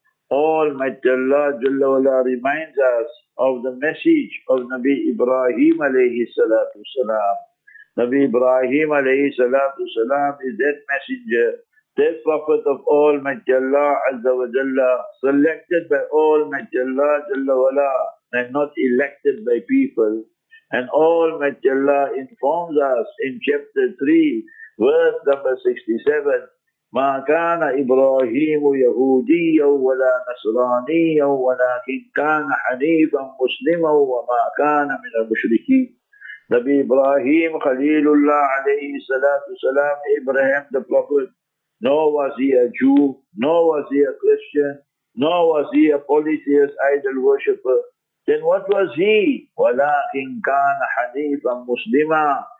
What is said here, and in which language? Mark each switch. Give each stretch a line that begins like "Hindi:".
English: Almighty Allah Jalla Wala reminds us of the message of Nabi Ibrahim alayhi salatu salam. Nabi Ibrahim alayhi salatu salam is that messenger, that prophet of Almighty Allah Azza wa Jalla, selected by Almighty Allah Jalla Wala and not elected by people. And Almighty Allah informs us in chapter 3, verse number 67,
Arabic: مَا كَانَ إِبْرَاهِيمُ يَهُودِيًّا وَلَا نَصْرَانِيًّا وَلَكِنْ كَانَ حَنِيفًا مُسْلِمًا وَمَا كَانَ مِنَ الْمُشْرِكِينَ.
English: Nabi Ibrahim Khalilullah alayhi salatu salam, Ibrahim the Prophet, nor was he a Jew, nor was he a Christian, nor was he a polytheist idol worshipper. Then what was he?
Arabic: وَلَكِنْ كَانَ حَنِيفًا مُسْلِمًا.